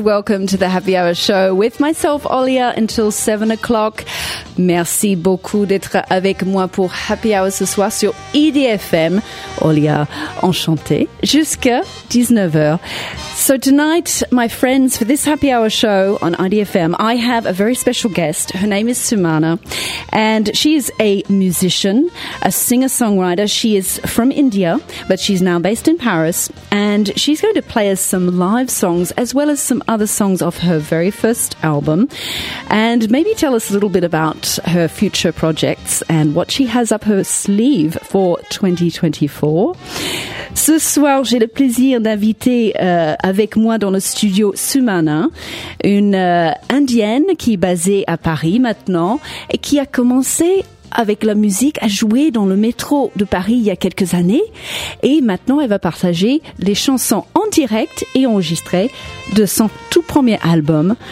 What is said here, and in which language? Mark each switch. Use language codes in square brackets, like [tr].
[en] Welcome to the Happy Hour Show with myself, Olia, until 7 o'clock. [fr] Merci beaucoup d'être avec moi pour Happy Hour ce soir sur EDFM. Olia, enchantée. Jusqu'à 19h. [en] So tonight, my friends, for this Happy Hour Show on EDFM, I have a very special guest. Her name is Sumana, and she is a musician, a singer-songwriter. She is from India, but she's now based in Paris, and she's going to play us some live songs as well as some other songs off her very first album, and maybe tell us a little bit about her future projects and what she has up her sleeve for 2024. [fr] Ce soir, j'ai le plaisir d'inviter avec moi dans le studio Sumana, une Indienne qui est basée à Paris maintenant et qui a commencé avec la musique à jouer dans le métro de Paris il y a quelques années. Et maintenant, elle va partager les chansons en direct et enregistrées de son tout premier album.